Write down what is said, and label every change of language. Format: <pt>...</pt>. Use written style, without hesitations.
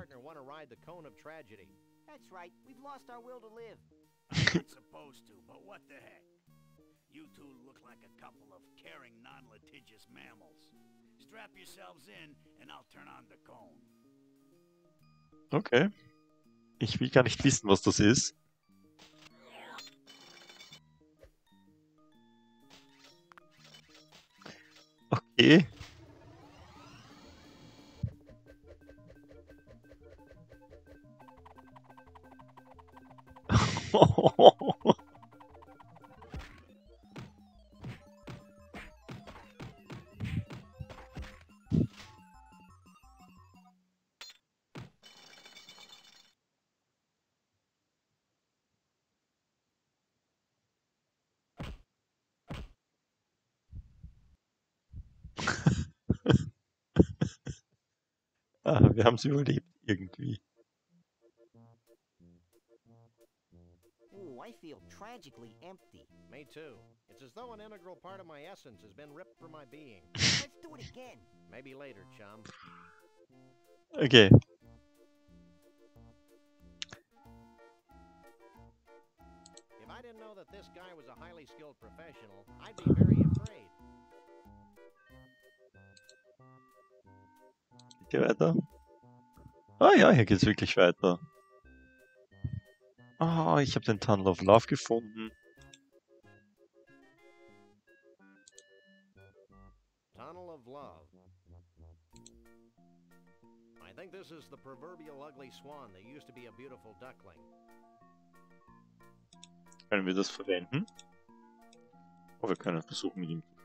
<en>Me and my partner want to ride the cone of tragedy. That's right, we've lost our will to live. I'm not supposed to, but what the heck? You two look like a couple of caring, non-litigious mammals. Strap yourselves in, and I'll turn on the cone. Okay.</en> <de>Ich will gar nicht wissen, was das ist.</de> <en>Okay.</en> <de>Wir haben es überlebt, irgendwie.</de> <en>Oh, I feel tragically empty. Me too. It's as though an integral part of my essence has been ripped from my being. Let's do it again. Maybe later, chum. Okay. If I didn't know that this guy was a highly skilled professional, I'd be very afraid.</en> <de>Geh weiter. Ah ja, hier geht's wirklich weiter. Ah, oh, ich habe den Tunnel of Love gefunden.</de> <en>Tunnel of Love. I think this is the proverbial ugly swan that used to be a beautiful duckling.</en> <de>Können wir das verwenden? Oh, wir können versuchen mit ihm.</de>